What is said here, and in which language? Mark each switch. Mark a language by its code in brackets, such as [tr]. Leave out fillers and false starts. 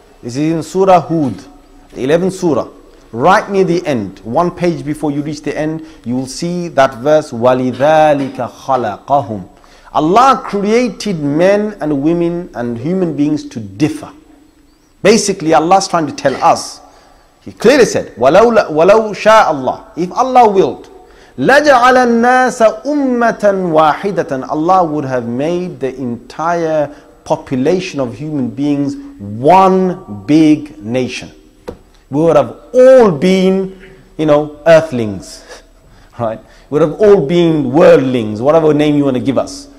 [en] This is in Surah Hud, the 11th Surah. Right near the end, one page before you reach the end, you will see that verse, [ar] وَلِذَٰلِكَ خَلَقَهُمْ. [en] Allah created men and women and human beings to differ. Basically, Allah's trying to tell us. He clearly said, [ar] وَلَوْ شَاءَ اللَّهُ. [en] If Allah willed, [ar] لَجَعَلَ النَّاسَ أُمَّةً وَاحِدَةً. [en] Allah would have made the entire population of human beings one big nation. We would have all been, you know, earthlings, right? We would have all been worldlings, whatever name you want to give us.